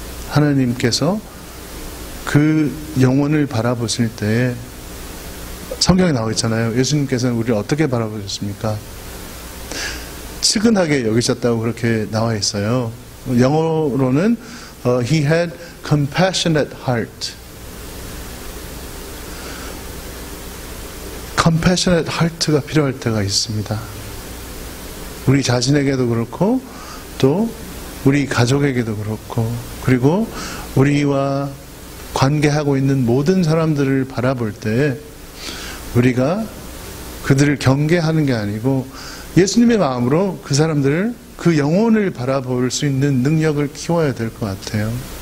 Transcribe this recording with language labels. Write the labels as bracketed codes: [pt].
[ko] 하나님께서 그 영혼을 바라보실 때에 성경에 나와 있잖아요. 예수님께서는 우리를 어떻게 바라보셨습니까? 측은하게 여기셨다고 그렇게 나와 있어요. 영어로는 [en] He had compassionate heart. [ko] Compassionate heart가 필요할 때가 있습니다. 우리 자신에게도 그렇고 또 우리 가족에게도 그렇고 그리고 우리와 관계하고 있는 모든 사람들을 바라볼 때 우리가 그들을 경계하는 게 아니고 예수님의 마음으로 그 사람들을 그 영혼을 바라볼 수 있는 능력을 키워야 될 것 같아요.